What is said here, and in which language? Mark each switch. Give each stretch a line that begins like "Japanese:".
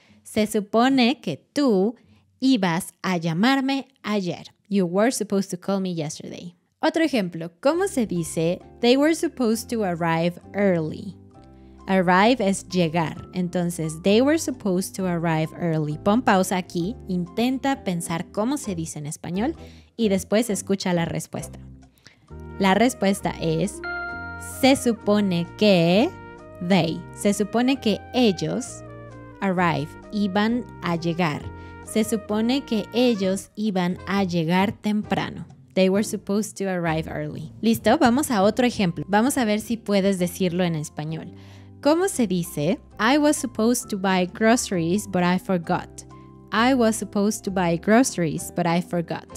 Spanish: Se supone que tú ibas a llamarme ayer.
English: You were supposed to call me yesterday.
Spanish: Otro ejemplo. ¿Cómo se dice
English: they were supposed to arrive early?
Spanish: Arrive es llegar. Entonces,
English: they were supposed to arrive early.
Spanish: Pon pausa aquí. Intenta pensar cómo se dice en español y después escucha la respuesta. La respuesta es, se supone que they, se supone que ellos arrive, iban a llegar. Se supone que ellos iban a llegar temprano.
English: They were supposed to arrive early.
Spanish: ¿Listo? Vamos a otro ejemplo. Vamos a ver si puedes decirlo en español. ¿Cómo se dice?
English: I was supposed to buy groceries, but I forgot. I was supposed to buy groceries, but I forgot.